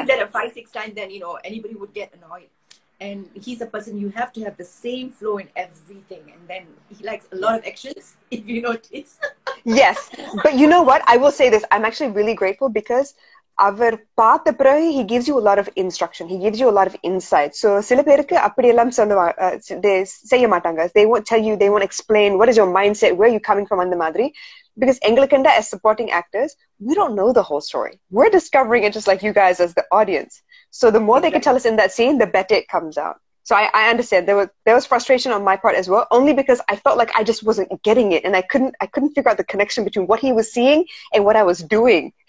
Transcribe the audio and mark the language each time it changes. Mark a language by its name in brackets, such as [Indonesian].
[English] you do that 5-6 times, then, you know, anybody would get annoyed. And he's a person, you have to have the same flow in everything. And then he likes a lot of actions, if you notice. Yes. But you know what? I will say this. I'm actually really grateful because [Tamil] அவர் பார்த்த பிறகு [English] he gives you a lot of instruction. He gives you a lot of insight. [Tamil] So சில பேருக்கு அப்படி எல்லாம் செய்ய மாட்டாங்க. [English] They won't tell you, they won't explain what is your mindset, where are you coming from, [Tamil] அந்த மாதிரி. [English] Because [Tamil] எங்களுக்கு [English] as supporting actors, we don't know the whole story. We're discovering it just like you guys as the audience. So the more they can tell us in that scene, the better it comes out. So I understand. There was frustration on my part as well, only because I felt like I just wasn't getting it and I couldn't figure out the connection between what he was seeing and what I was doing.